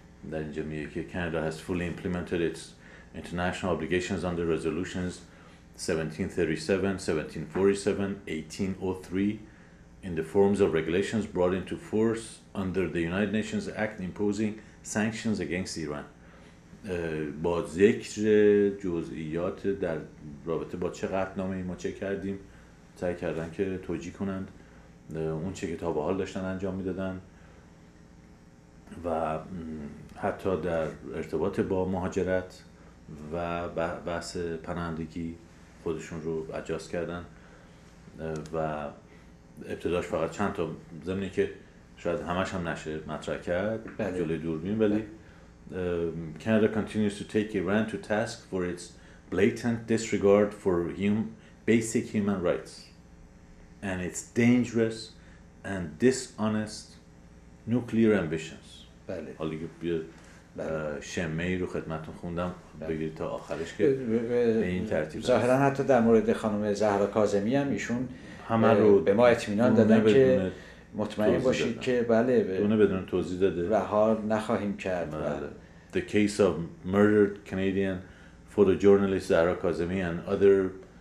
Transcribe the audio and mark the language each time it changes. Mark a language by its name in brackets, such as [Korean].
[Persian] در اینجا میگه که [English] Canada has fully implemented its international obligations under resolutions 1737, 1747, 1803 in the forms of regulations brought into force under the United Nations Act imposing sanctions against Iran. [Persian] با ذکر جزئیات در رابطه با چه قطعنامه ای ما چه کردیم، سعی کردن که توجیه کنند اون چه که تا به حال داشتن انجام میدادن و حتی در ارتباط با مهاجرت و بحث پناهندگی خودشون رو اجاز کردن. و ابتداش فقط چند تا زمینه که شاید همش هم نشه مطرح کرد جلوی دوربین، ولی [English] Canada continues to take Iran to task for its blatant disregard for basic human rights and its dangerous and dishonest nuclear ambitions. [Persian] بله. حالا یه شمه ای رو خدمتون خوندم، بگیرید تا آخرش که به این ترتیب هست. ظاهرن حتی در مورد خانم زهرا کاظمی هم ایشون همه رو به ما اطمینان دادن که مطمئن باشید دادن. که بله دونه بدون توضیح داده رها نخواهیم کرد. بله. [English] The case of murdered Canadian photojournalist Zahra Kazemi and other consular cases، [Persian] تک به تک اینها رو